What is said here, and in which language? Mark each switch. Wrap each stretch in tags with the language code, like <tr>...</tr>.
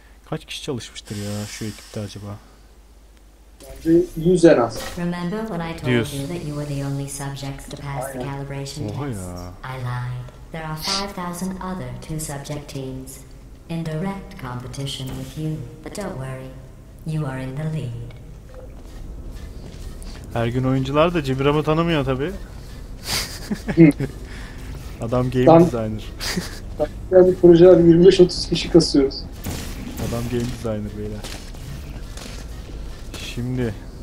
<tr>Kaç kişi çalışmıştır ya şu ekipte acaba? Bence 100 en az.</tr> <en>Remember when I told you that you were the only subjects to pass the calibration test? I lied. There are 5,000 other two subject teams in direct competition with you, but don't worry, you are in the lead.</en> <tr>Her gün oyuncular da Cibram'ı tanımıyor tabi. Adam game designer. Yani projeler 25-30 kişi kasıyoruz. Adam game designer beyler. Şimdi</tr>